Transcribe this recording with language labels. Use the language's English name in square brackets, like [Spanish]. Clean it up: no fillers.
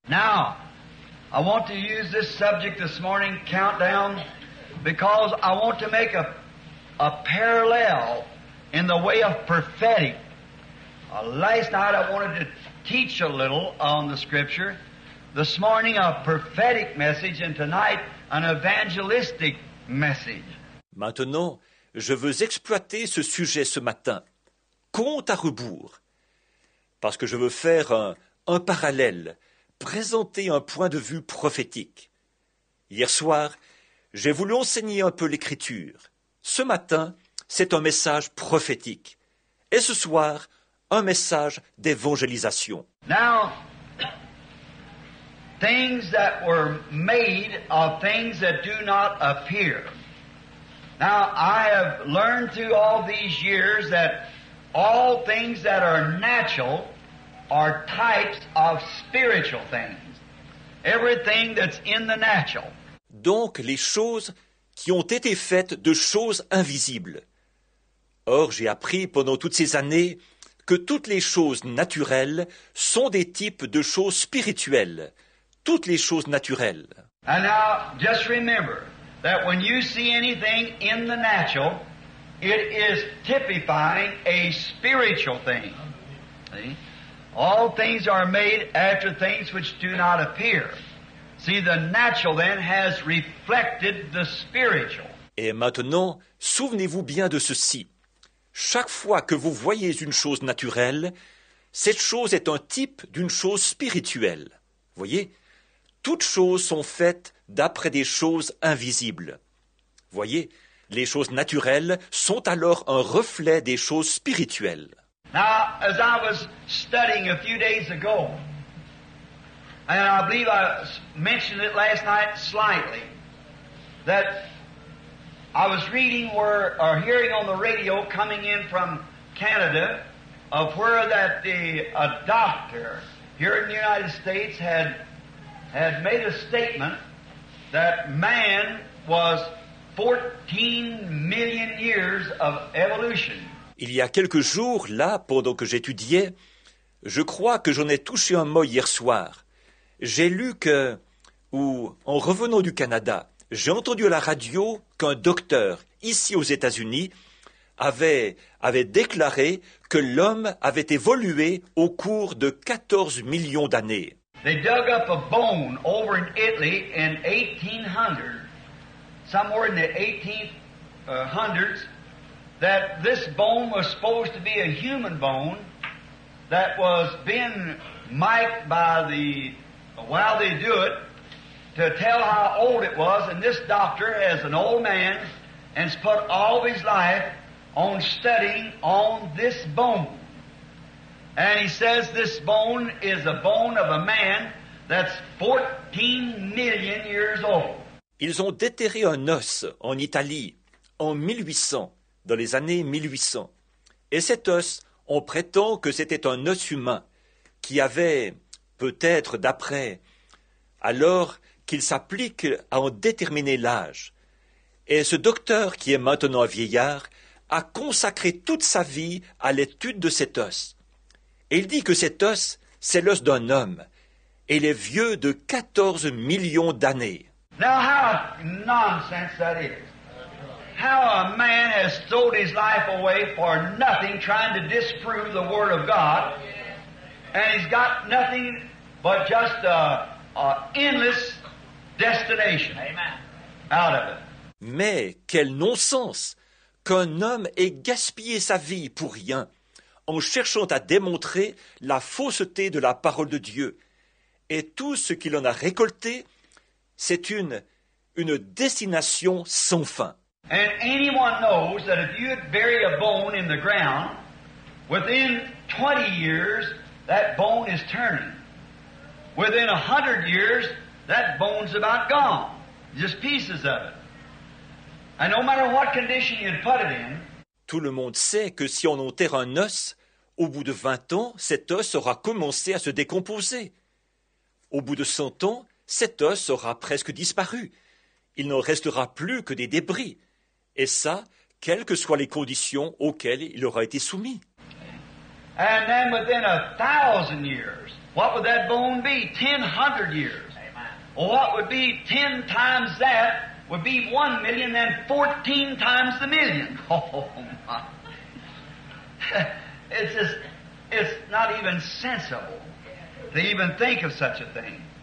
[English] Now, I want to use this subject this morning, countdown, because I want to make a parallel in the way of prophetic. Last night I wanted to teach a little on the scripture. This morning, a prophetic message, and tonight, an evangelistic message. [French] Maintenant, je veux exploiter ce sujet ce matin, compte à rebours, parce que je veux faire un parallèle, présenter un point de vue prophétique. Hier soir, j'ai voulu enseigner un peu l'Écriture. Ce matin, c'est un message prophétique. Et ce soir, un message d'évangélisation. [English] Now, things that were made are things that do not appear. Now, I have learned through all these years that all things that are natural are types of spiritual things. Everything that's in the natural. [French] Donc, les choses qui ont été faites de choses invisibles. Or, j'ai appris pendant toutes ces années que toutes les choses naturelles sont des types de choses spirituelles. Toutes les choses naturelles. [English] And now, just remember that when you see anything in the natural, it is typifying a spiritual thing. See? All things are made after things which do not appear. See, the natural then has reflected the spiritual. [French] Et maintenant, souvenez-vous bien de ceci. Chaque fois que vous voyez une chose naturelle, cette chose est un type d'une chose spirituelle. Voyez, toutes choses sont faites d'après des choses invisibles. Voyez, les choses naturelles sont alors un reflet des choses spirituelles. [English] Now, as I was studying a few days ago, and I believe I mentioned it last night slightly, that I was reading or hearing on the radio coming in from Canada of where that a doctor here in the United States had made a statement that man was 14 million years of evolution. [French] Il y a quelques jours, là, pendant que j'étudiais, je crois que j'en ai touché un mot hier soir. J'ai lu que, ou en revenant du Canada, j'ai entendu à la radio qu'un docteur, ici aux États-Unis, avait déclaré que l'homme avait évolué au cours de 14 millions d'années. [English] They dug up a bone over in Italy in 1800, somewhere in the 1800s, that this bone was supposed to be a human bone that was being mic'd by the, while they do it, to tell how old it was. And this doctor, as an old man, has put all of his life on studying on this bone. And he says this bone is a bone of a man that's 14 million years old. [French] Ils ont déterré un os en Italie en 1800, dans les années 1800. Et cet os, on prétend que c'était un os humain qui avait, peut-être d'après, alors qu'il s'applique à en déterminer l'âge. Et ce docteur, qui est maintenant un vieillard, a consacré toute sa vie à l'étude de cet os. Et il dit que cet os, c'est l'os d'un homme. Et il est vieux de 14 millions d'années. [English] Now how nonsense that is. How a man has thrown his life away for nothing, trying to disprove the word of God. And he's got nothing but just an endless destination out of it. [French] Mais quel non-sens qu'un homme ait gaspillé sa vie pour rien, en cherchant à démontrer la fausseté de la parole de Dieu. Et tout ce qu'il en a récolté, c'est une destination sans fin. [English] And anyone knows that if you bury a bone in the ground, within 20 years, that bone is turning. Within 100 years, that bone's about gone. Just pieces of it. And no matter what condition you put it in, [French] tout le monde sait que si on enterre un os, au bout de 20 ans, cet os aura commencé à se décomposer. Au bout de 100 ans, cet os aura presque disparu. Il n'en restera plus que des débris. Et ça, quelles que soient les conditions auxquelles il aura été soumis. [English] And then within 1,000 years, what would that bone be? 1,000 years. Amen. What would be 10 times that would be 1 million, then 14 times the million. Oh, my. It's just, it's not even sensible to even think of such a thing.